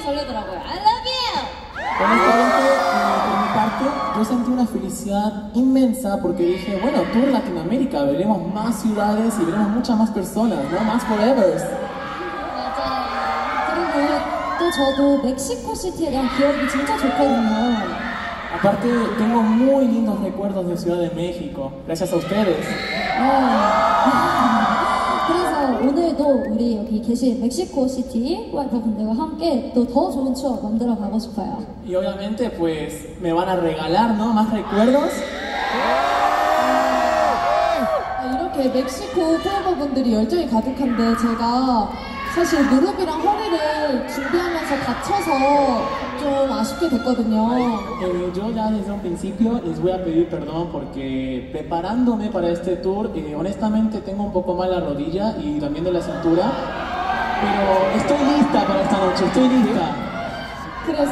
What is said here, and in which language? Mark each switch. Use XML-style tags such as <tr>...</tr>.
<ko>설레더라고요.</ko> <en>I love you!</en> <ko>저는 그런</ko> <es>parte, yo sentí una felicidad inmensa porque dije, bueno, tour en Latinoamérica, veremos más ciudades y veremos muchas más personas, ¿no? Más forevers.</es> <ko>맞아요. 그리고 또 저도 멕시코 시티에 대한 기억이 진짜 좋거든요.</ko> <es>Aparte, tengo muy lindos recuerdos de Ciudad de México, gracias a ustedes.</es> <ko>그래서 오늘도 우리 여기 계신 멕시코 시티 여러분들과 함께 또 더 좋은 추억 만들어 가고 싶어요.</ko> <es>Y obviamente, pues, me van a regalar, ¿no? Más recuerdos.</es> <ko>이렇게 멕시코 팬분들이 열정이 가득한데 제가 사실 무릎이랑 허리를 준비하면서 다쳐서 좀 아쉽게 됐거든요.</ko> <es>Yo ya desde un principio les voy a pedir perdón porque preparándome para este tour, honestamente tengo un poco mal la rodilla y también de la cintura, pero estoy lista para esta noche, estoy lista.</es>